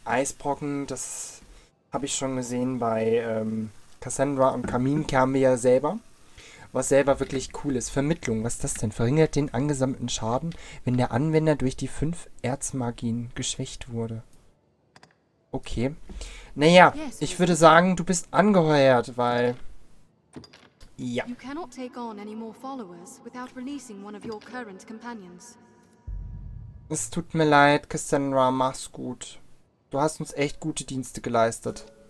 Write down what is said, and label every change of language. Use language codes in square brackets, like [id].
[de] Eisbrocken, das habe ich schon gesehen bei Cassandra und Kaminkern ja selber. Was selber wirklich cool ist. Vermittlung, was ist das denn? Verringert den angesammelten Schaden, wenn der Anwender durch die fünf Erzmagien geschwächt wurde. Okay. Naja, [en] Yes, [de] ich würde [en] Arisen. [de] sagen, du bist angeheuert, weil. Ja. [en] You cannot take on any more followers without releasing one of your current companions. [de] Es tut mir leid, Cassandra, mach's gut. Du hast uns echt gute Dienste geleistet.